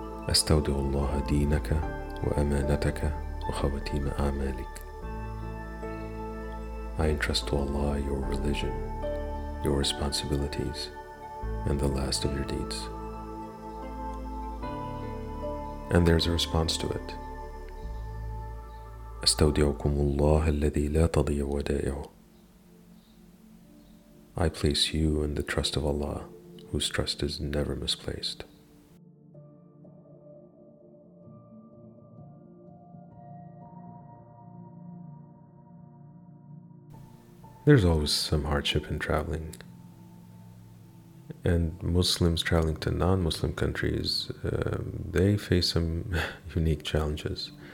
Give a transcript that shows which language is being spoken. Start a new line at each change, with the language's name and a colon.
Arabic: أستودع الله دينك وأمانتك وخواتيم أعمالك.
English: I entrust to Allah your religion, your responsibilities, and the last of your deeds. And there's a response to it.
Arabic: أستودعكم الله الذي لا تضيع ودائعه.
English: I place you in the trust of Allah, whose trust is never misplaced. There's always some hardship in traveling. And Muslims traveling to non-Muslim countries, they face some unique challenges.